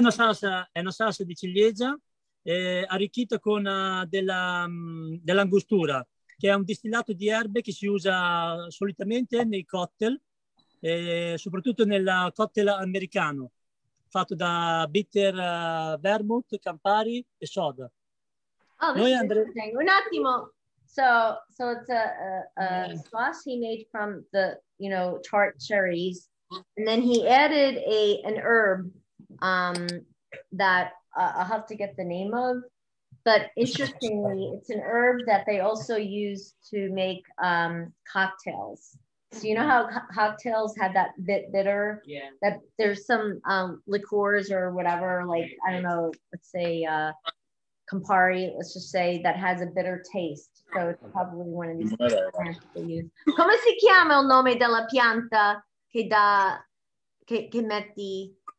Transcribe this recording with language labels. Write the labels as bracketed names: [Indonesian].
[Italian] Questa è una salsa di ciliegia arricchita con dell'angostura, che è un distillato di erbe che si usa solitamente nei cocktail, soprattutto nel cocktail americano, fatto da bitter vermouth, Campari e soda. Oh, noi andremo un attimo. [English] So it's a sauce he made from the, you know, tart cherries, and then he added an herb. That I'll have to get the name of, but interestingly, it's an herb that they also use to make cocktails. So you know how cocktails have that bitter? Yeah. That there's some liqueurs or whatever, like I don't know, let's say Campari. Let's just say that has a bitter taste. So it's probably one of these things they use. [Italian] Come si chiama il nome della pianta che metti?